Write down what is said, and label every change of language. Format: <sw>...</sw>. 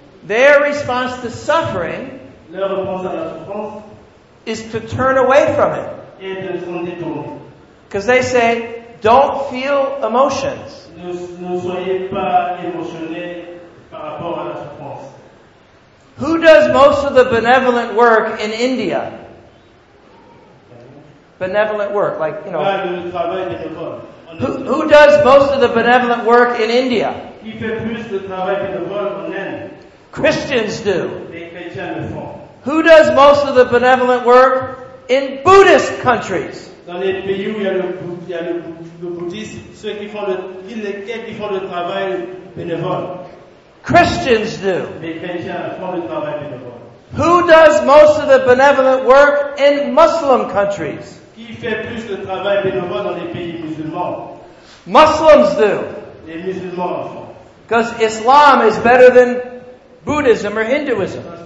<en>Their response to suffering,</en> <fr>leur réponse à la souffrance,</fr> <en>is to turn away from it. Because they say, don't feel emotions.</en> <fr>Ne soyez pas émotionné par rapport à la souffrance.</fr> <en>Who does most of the benevolent work in India? Benevolent work, like, you know. Who does most of the benevolent work in India?</en> <fr>Qui fait plus de travail bénévole en Inde?</fr> <en>Christians do.</en> <fr>Les chrétiens le font.</fr> <en>Who does most of the benevolent work in Buddhist countries?</en> <fr>Dans les pays où il y a le bouddhisme, ceux qui font le travail bénévole.</fr> <en>Christians do.</en> <fr>Les chrétiens font le travail bénévole.</fr> <en>Who does most of the benevolent work in Muslim countries?</en> <fr>Qui fait plus le travail bénévole dans les pays musulmans?</fr> <en>Muslims do.</en> <fr>Les musulmans le font.</fr> <en>Because Islam is better than Buddhism or Hinduism.</en>